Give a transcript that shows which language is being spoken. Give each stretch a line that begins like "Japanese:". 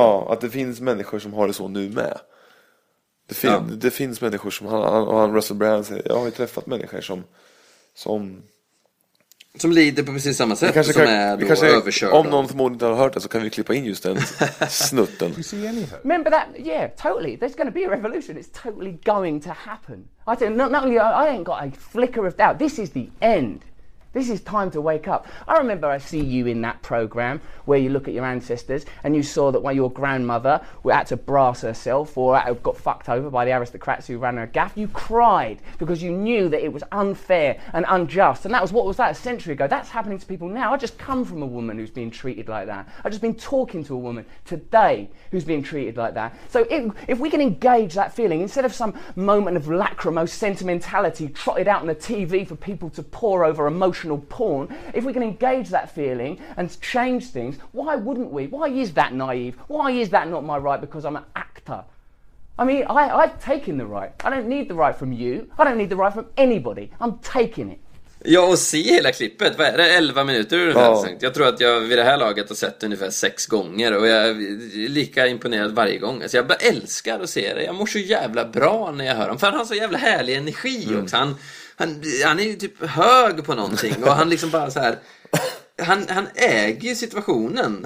Swedish: Ja, att det finns människor som har det så nu med. Det finns människor som han Russell Brand säger, jag har ju träffat människor som lider på precis samma sätt som är överkörd. Om någon förmodligen inte har hört det så kan vi klippa in just den snutten.
English: Remember that? Yeah, totally. There's going to be a revolution. It's totally going to happen. I said, not only I ain't got a flicker of doubt. This is the end. This is time to wake up. I remember I see you in that program where you look at your ancestors and you saw that while your grandmother had to brass herself or got fucked over by the aristocrats who ran her gaff, you cried because you knew that it was unfair and unjust. And that was, what was that, a century ago? That's happening to people now. I just come from a woman who's being treated like that. I've just been talking to a woman today who's being treated like that. So if we can engage that feeling, instead of some moment of lachrymose sentimentality trotted out on the TV for people to pour over emotional porn, if we can engage that feeling and change things, why wouldn't we? Why is that naive? Why is that not my right because I'm an actor? I mean, I've taken the right. I don't need the right from you. I don't need the right from anybody. I'm taking it.
Swedish: Ja, och se hela klippet. Vad är det, 11 minuter ungefär? Ja. Jag tror att jag vid det här laget har sett ungefär 6 gånger och jag är lika imponerad varje gång. Så jag bara älskar att se det. Jag mår så jävla bra när jag hör honom. För han har så jävla härlig energi också. Han är ju typ hög på någonting och han liksom bara så här, han äger situationen.